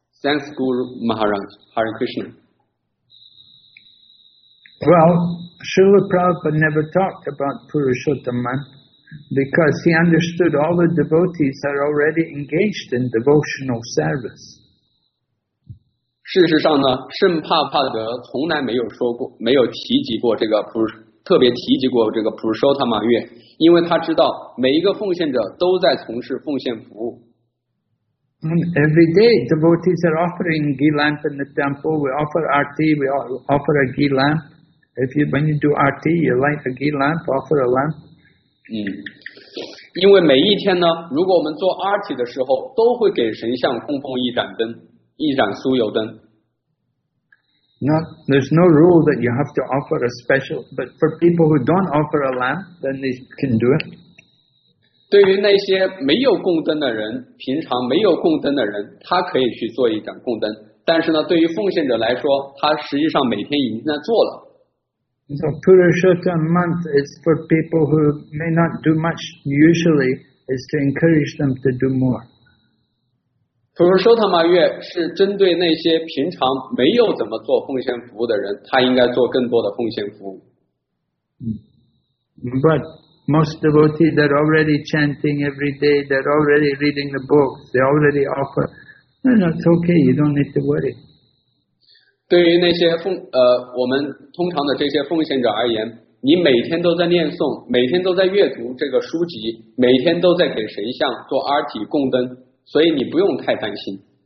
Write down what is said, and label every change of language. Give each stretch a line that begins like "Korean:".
English: Thanks Guru Maharaj. Hare Krishna. Well,Srila Prabhupada never talked about Purushottama because he understood all the devotees are already engaged in devotional service.
Chinese: 事实上呢，圣帕帕德从来没有说过，没有提及过这个特别提及过这个 Purushottama 月，因为他知道每一个奉献者都在从事奉献服务。
English: And every day, devotees are offering ghee lamp in the temple. We offer arti, we offer a ghee lamp. When you do RT, you light a ghee lamp, offer a lamp.
Chinese: 因为每一天呢，如果我们做 RT 的时候，都会给神像供奉一盏灯，一盏酥油灯。
English: There's no rule that you have to offer a special, but for people who don't offer a lamp, then they can do it.
Chinese: 对于那些没有供灯的人，平常没有供灯的人，他可以去做一盏供灯。但是呢，对于奉献者来说，他实际上每天已经在做了。
English: So Purushottama month is for people who may not do much usually, is to encourage them to do more.
Chinese: Purushottama 月是针对那些平常没有怎么做奉献服务的人，他应该做更多的奉献服务。
English: But most devotees are already chanting every day, they're already reading the books, they already offer. No, no, it's okay, you don't need to worry.
Chinese: 对于那些我们通常的这些奉献者而言，你每天都在念诵，每天都在阅读这个书籍，每天都在给神像做阿体供灯，所以你不用太担心。